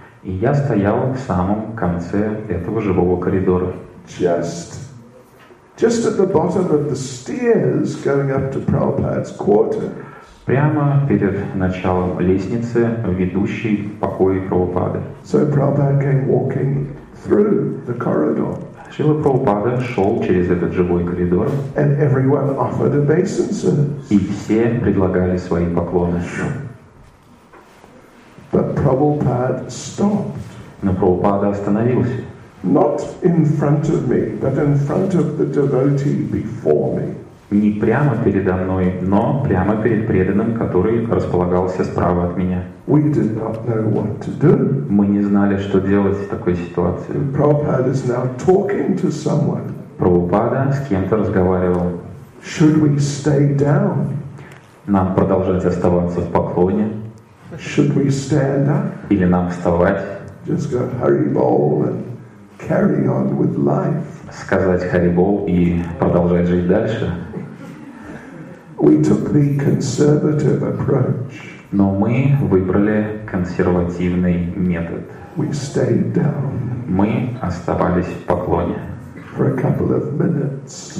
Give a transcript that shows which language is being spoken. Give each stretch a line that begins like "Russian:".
Russian: И я стоял в самом конце этого живого коридора.
English: Just at the bottom of the stairs going up to Prabhupada's quarters.
Russian: Прямо перед началом лестницы, ведущей в покои Прабхупады.
English: So Prabhupada came walking through the corridor.
Russian: Шрила Прабхупада шел через этот живой коридор.
English: And everyone offered obeisances.
Russian: И все предлагали свои поклоны.
English: But Prabhupada stopped.
Russian: Но Прабхупада остановился.
English: Not in front of me, but in front of the devotee before me.
Russian: Не прямо передо мной, но прямо перед преданным, который располагался справа от меня.
English: We did not know what to do.
Russian: Мы не знали, что делать в такой ситуации.
English: And Prabhupada is now talking to someone.
Russian: Прабхупада с кем-то разговаривал.
English: Should we stay down?
Russian: Нам продолжать оставаться в поклоне?
English: Should we stand up?
Russian: Или нам вставать?
English: Just go hurry bowl and carry on with life.
Russian: Сказать Харибол и продолжать жить дальше.
English: We took the conservative approach.
Russian: Но мы выбрали консервативный метод.
English: We stayed down.
Russian: Мы оставались в поклоне.
English: For a couple of minutes.